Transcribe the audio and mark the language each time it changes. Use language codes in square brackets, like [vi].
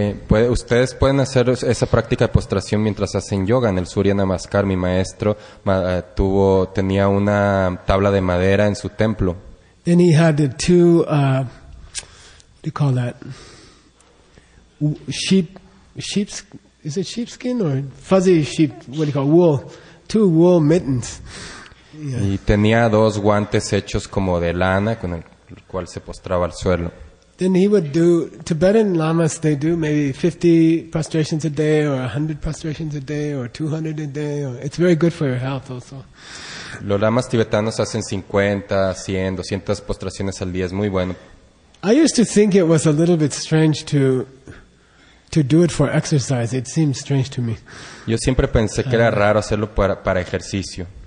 [es] Ustedes pueden hacer esa práctica de postración mientras hacen yoga. En el Surya Namaskar, mi maestro tenía una tabla de madera en su templo. [en] Then he had the two... They call that sheep's, is it sheepskin or fuzzy sheep, what do you call it? Wool, two wool mittens. [es] Yeah. Y tenía dos guantes hechos como de lana con el cual se postraba al suelo. [en] Then he would do, Tibetan lamas, they do maybe 50 prostrations a day or 100 prostrations a day or 200 a day. Or, it's very good for your health also. [es] Los lamas tibetanos hacen 50, 100, 200 postraciones al día, es muy bueno. [en] I used to think it was a little bit strange to do it for exercise. It seemed strange to me. [es] Yo siempre pensé que era raro hacerlo para ejercicio.